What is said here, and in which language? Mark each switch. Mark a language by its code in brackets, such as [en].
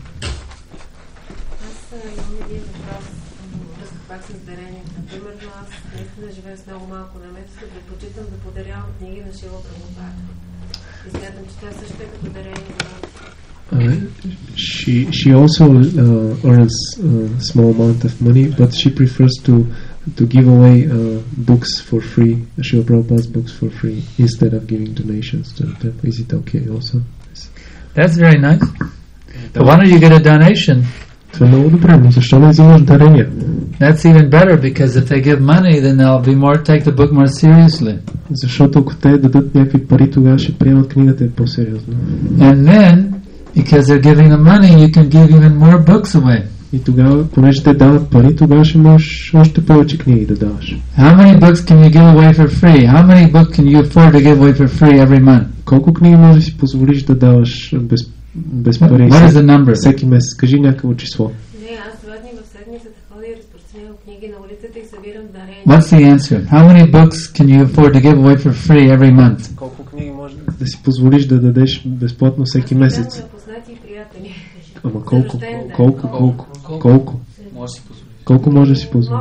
[bg] Аз имам един въпрос, връзка пак с дарението. Примерно аз наистина живея с много малко на мето, да предпочитам да подарявам книги на Шила Прабхупада. И смятам, че тя също е като дарение на... [en] She also earns a small amount of money, but she prefers to give away books for free, Srila Prabhupada's books for free, instead of giving donations to the temple. Is it okay also? That's very nice. But why don't you get a donation? That's even better, because if they give money, then they'll be more take the book more seriously. And then, because they're giving the money, you can give even more books away. [bg] И тогава, понеже те дават пари, тогава ще можеш още повече книги да даваш. [en] How many books can you give away for free? How many books can you afford to give away for free every month? [bg] Колко книги можеш да си позволиш да даваш без пари. [en] What is the number? [bg] Всеки месец. Кажи някакво число. Не, аз два дни в седмицата ходя и разпространявам книги на улицата и събирам дарения. [en] What's the answer? How many books can you afford to give away for free every month? [bg] Колко книги можеш да си позволиш да дадеш безплатно всеки месец? Аз имам познати и приятели. Ама колко? Колко може да си позволиш?